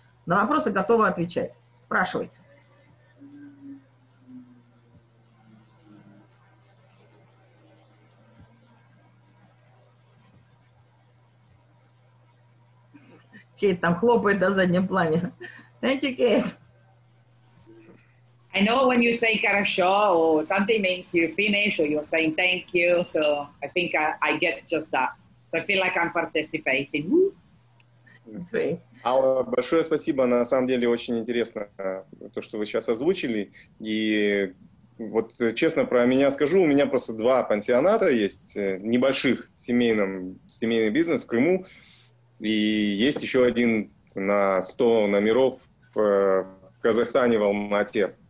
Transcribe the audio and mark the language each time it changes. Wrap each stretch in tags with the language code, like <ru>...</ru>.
<ru>На вопросы готова отвечать. Спрашивайте. Кейт там хлопает на заднем плане.</ru> <en>Thank you, Kate. I know when you say хорошо, or something means you finish, or you're saying thank you, so I think I get just that. So I feel like I'm participating. Okay.</en> <ru>Алла, большое спасибо. На самом деле очень интересно то, что вы сейчас озвучили. И вот честно про меня скажу, у меня просто два пансионата есть, небольших, семейный бизнес в Крыму. И есть еще один на 100 номеров в Казахстане, в Алма-Ате.</ru>